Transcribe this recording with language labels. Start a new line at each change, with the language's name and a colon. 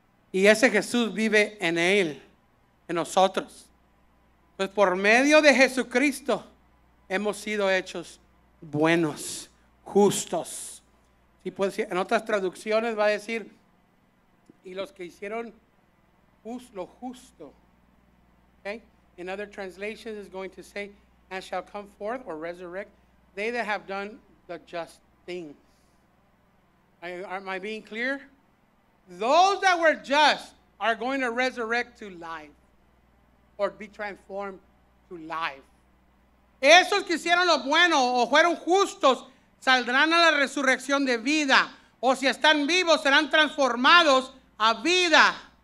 Spanish: Y ese Jesús vive en él, en nosotros. Pues por medio de Jesucristo hemos sido hechos buenos, justos. Si puede decir, en otras traducciones va a decir, y los que hicieron lo justo. Okay?
English: In other translations it's going to say, and shall come forth or resurrect. They that have done the just things. Am I being clear? Those that were just are going to resurrect to life. Or be transformed to life.
Spanish: Esos que hicieron lo bueno o fueron justos saldrán a la resurrección de vida. O si están vivos serán transformados a vida.